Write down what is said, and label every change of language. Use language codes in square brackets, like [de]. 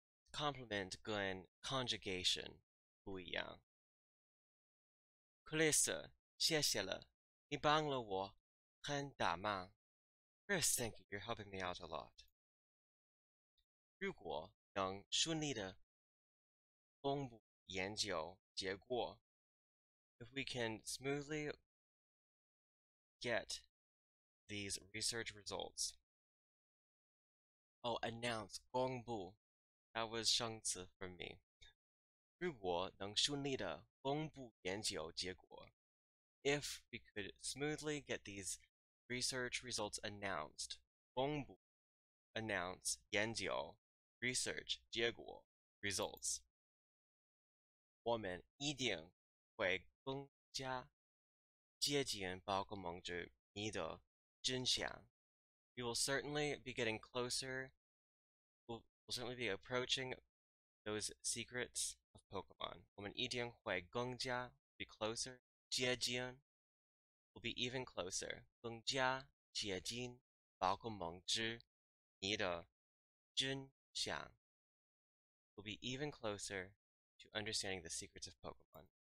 [zh] Compliment 跟 conjugation 不一样。 Clarissa，谢谢了，你帮了我很大忙。 [en] Chris, thank you. You're helping me out a lot. [zh] 如果能顺利的公布研究结果 [en] ，if we can smoothly get these research results. Oh, announce 公布。 That was 上次 for me. [zh] 如果能顺利的公布研究结果 [en] ，if we could smoothly get these research results announced, 公布 announce 研究 research 结果 results, [zh] 我们一定会更加接近宝可梦之谜的真相。 [en] We will certainly be getting closer. We'll certainly be approaching those secrets of Pokemon. [zh] 我们一定会更加 [en] be closer, 接近 will be even closer, [zh] 更加接近宝可梦之谜的真相 [en] will be even closer to understanding the secrets of Pokemon.